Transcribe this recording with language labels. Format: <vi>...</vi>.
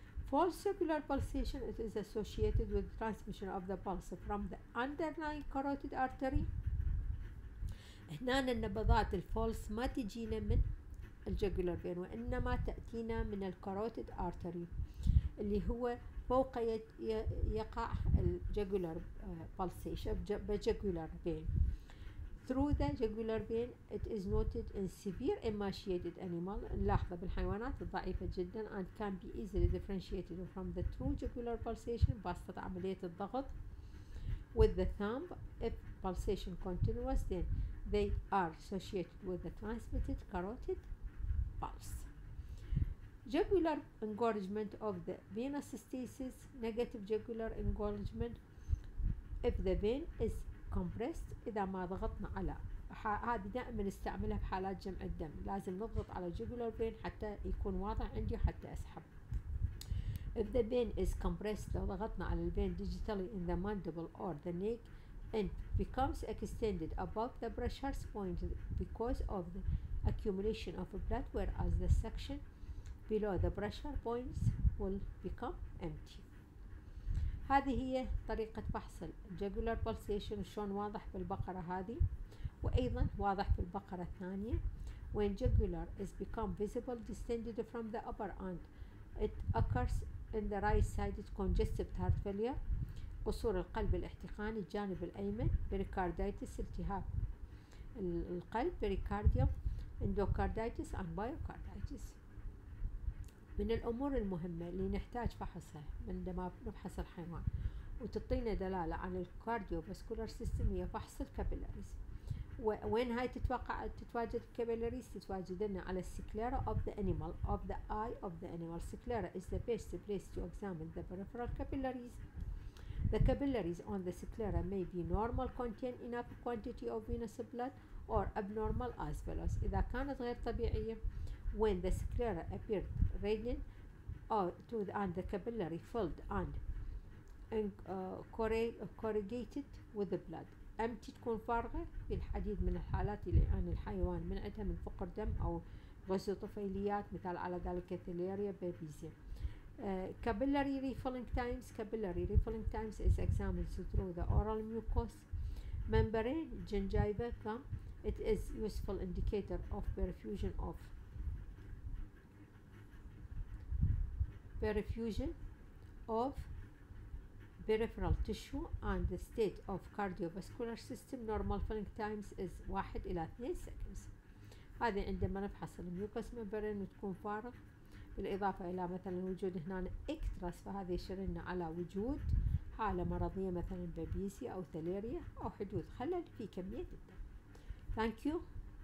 <en>False jugular pulsation it is associated with transmission of the pulse from the underlying carotid artery.</en> <ar>هنا النبضات الفولس ما تجينا من الجيجولار فين وإنما تأتينا من الكاروتيد أرتري اللي هو فوق يقع الجيجولار بالسيشن بجيجولار فين.</ar> <en>Through the jugular vein it is noted in severe emaciated animal</en> <ar>لاحظة بالحيوانات الضعيفة جدا</ar> <en>and can be easily differentiated from the true jugular pulsation</en> <ar>بواسطة عملية الضغط</ar> <en>with the thumb if pulsation continuous then they are associated with the transmitted carotid pulse. Jugular engorgement of the venous stasis, negative jugular engorgement if the vein is compressed</en> <ar>إذا ما ضغطنا على هذه دائما نستعملها في حالات جمع الدم لازم نضغط على jugular vein حتى يكون واضح عندي حتى أسحب.</ar> <en>If the vein is compressed</en> <ar>لو ضغطنا على</ar> <en>vein digitally in the mandible or the neck and becomes extended above the pressure point because of the accumulation of blood whereas the section below the pressure points will become empty.</en> <ar>هذه هي طريقة فحص الجيجولار بولسيشن شلون واضح بالبقرة هذه وأيضا واضح بالبقرة الثانية.</ar> <en>When jugular is become visible distended from the upper end it occurs in the right sided congestive heart failure</en> <ar>قصور القلب الاحتقاني الجانب الأيمن</ar> <en>pericarditis</en> <ar>التهاب القلب</ar> <en>pericardium endocarditis and myocarditis.</en> <ar>من الأمور المهمة اللي نحتاج فحصها عندما نفحص الحيوان وتعطينا دلالة عن الكارديوفاسكولار سيستم هي فحص الكابيلاريز. وين هاي تتوقع تتواجد الكابيلاريز تتواجد لنا على السكليرا</ar> <en>of the animal of the eye of the animal. Sclera is the best place to examine the peripheral capillaries. The capillaries on the sclera may be normal contain enough quantity of venous blood or abnormal as well.</en> <ar>إذا كانت غير طبيعية</ar> <en>when the sclera appeared radiant or to the, and the capillary filled and corrugated with the blood empty</en> <ar>تكون فارغة في الحديد من الحالات اللي عن الحيوان من عندها من فقر دم أو غزو طفيليات مثال على ذلك ثلاريا بيبيزيا.</ar> <en>Capillary refilling times capillary refilling times is examined through the oral mucous membrane gingiva gum. It is useful indicator of perfusion of perfusion of peripheral tissue and the state of cardiovascular system. Normal filling times is 1 to 2 seconds.</en> <ar>هذه عندما نفحص الميوكوس ممبرين وتكون فارغ بالإضافة إلى مثلا وجود هنا إكتراس فهذا يشير لنا على وجود حالة مرضية مثلا بابيسيا أو ثلاريا أو حدوث خلل في كمية الدم.</ar> <en>Thank you.</en>